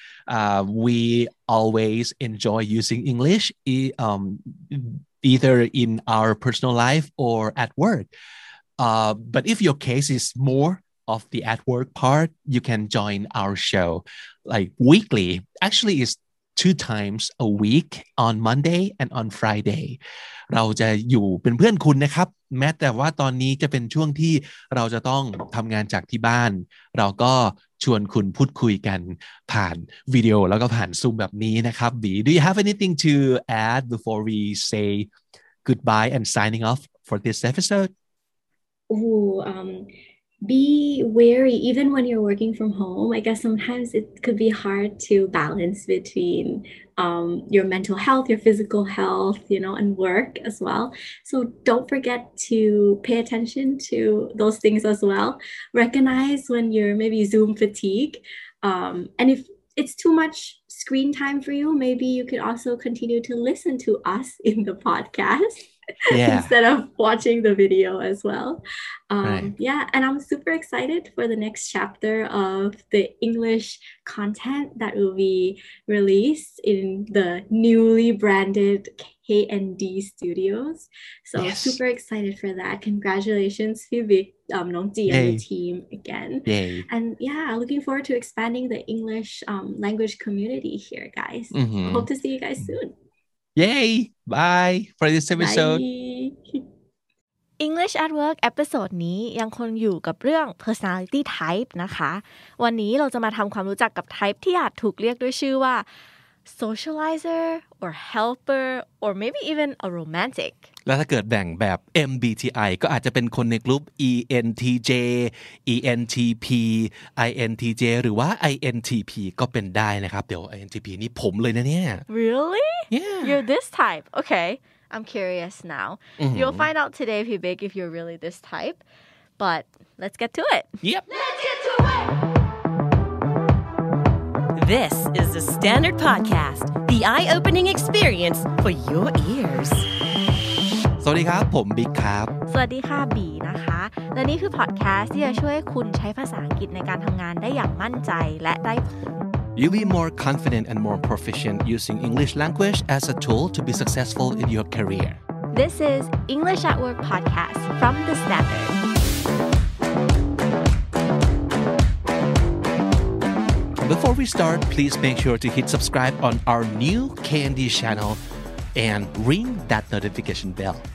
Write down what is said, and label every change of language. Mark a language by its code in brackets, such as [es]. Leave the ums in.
[en] Uh, we always enjoy using English e um, either in our personal life or at work. Uh, but if your case is more of the at work part, you can join our show like weekly. Actually, it's two times a week on Monday and on Friday. [th] เราจะอยู่เป็นเพื่อนคุณนะครับแม้แต่ว่าตอนนี้จะเป็นช่วงที่เราจะต้องทำงานจากที่บ้าน เราก็ชวนคุณพูดคุยกันผ่านวิดีโอแล้วก็ผ่านซูมแบบนี้นะครับบี [en] Do you have anything to add before we say goodbye and signing off for this episode? o h um, be wary even when you're working from home i guess sometimes it could be hard to balance between um, your mental health your physical health you know and work as well so don't forget to pay attention to those things as well recognize when you're maybe zoom fatigue um, and if it's too much screen time for you maybe you could also continue to listen to us in the podcast yeah. instead of watching the video as well. Um, right. Yeah, and I'm super excited for the next chapter of the English content that will be released in the newly branded KND Studios. So yes. super excited for that. Congratulations, Phoebe, um, Nongji the team again. Yay. And yeah, looking forward to expanding the English um, language community here, guys. Mm-hmm. Hope to see you guys soon. Yay! Bye for this episode. [th] English at work episode นี้ยังคงอยู่กับเรื่อง personality type นะคะ วันนี้เราจะมาทำความรู้จักกับ type ที่อาจถูกเรียกด้วยชื่อว่า [en] socializer or helper or maybe even a romantic [th] แล้วถ้าเกิดแบ่งแบบ MBTI ก็อาจจะเป็นคนในกลุ่ม ENTJ ENTP INTJ หรือว่า INTP ก็เป็นได้นะครับ เดี๋ยว INTP นี่ผมเลยนะเนี่ย [en] Really Yeah You're this type Okay I'm curious now mm-hmm. You'll find out today if you b i g if you're really this type but let's get to it Yep Let's get to it This is the Standard Podcast. The eye-opening experience for your ears. [th] สวัสดีครับ ผมบิ๊กครับ สวัสดีค่ะ บี นะคะ และนี่คือพอดแคสต์ที่จะช่วยคุณใช้ภาษาอังกฤษในการทำงานได้อย่างมั่นใจและได้ผล [en] You'll be more confident and more proficient using English language as a tool to be successful in your career. This is English at Work podcast from The Standard. before we start please make sure to hit subscribe on our new c n d channel and ring that notification bell